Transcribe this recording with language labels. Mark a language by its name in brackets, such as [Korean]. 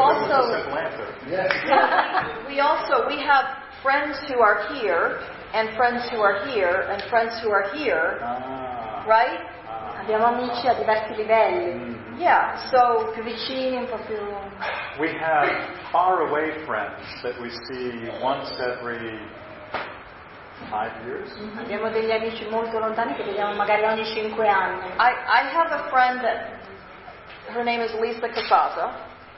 [English] we have friends who are here and friends who are here and friends who are here, right? [Italian] Abbiamo amici a diversi livelli. [English] Yeah, so [Italian] più vicini, un po' più. [English] We have far away friends that we see once every 5 years. [Italian] Abbiamo degli amici molto lontani che vediamo magari ogni 5 anni. [English] I have a friend that her name is Lisa Casaza.